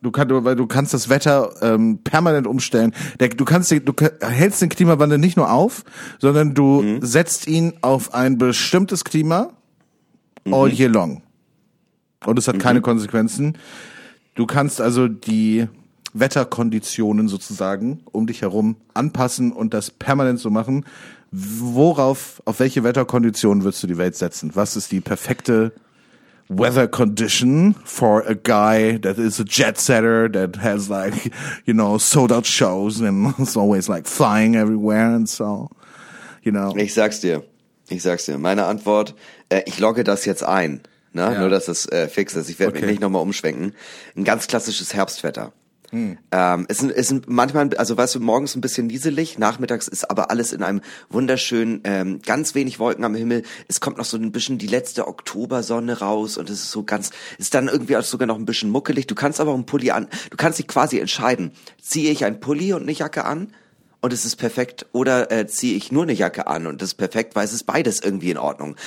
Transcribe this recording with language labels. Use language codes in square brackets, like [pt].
[de] Du kannst das Wetter permanent umstellen. Du hältst den Klimawandel nicht nur auf, sondern du setzt ihn auf ein bestimmtes Klima [en] all year long. [de] Und es hat keine Konsequenzen. Du kannst also die Wetterkonditionen sozusagen um dich herum anpassen und das permanent so machen. Auf welche Wetterkonditionen würdest du die Welt setzen? Was ist die perfekte [en] weather condition for a guy that is a jet setter, that has like, you know, sold out shows and is always like flying everywhere and so, you know. [de] Ich sag's dir. Meine Antwort, ich logge das jetzt ein, ne? Ja. Nur, dass es fix ist. Ich werde mich nicht nochmal umschwenken. Ein ganz klassisches Herbstwetter. Ist manchmal, also weißt du, morgens ein bisschen nieselig, nachmittags ist aber alles in einem wunderschönen, ganz wenig Wolken am Himmel, es kommt noch so ein bisschen die letzte Oktobersonne raus und es ist so ganz, ist dann irgendwie auch sogar noch ein bisschen muckelig, du kannst aber einen Pulli an, du kannst dich quasi entscheiden, ziehe ich einen Pulli und eine Jacke an und es ist perfekt oder ziehe ich nur eine Jacke an und es ist perfekt, weil es ist beides irgendwie in Ordnung.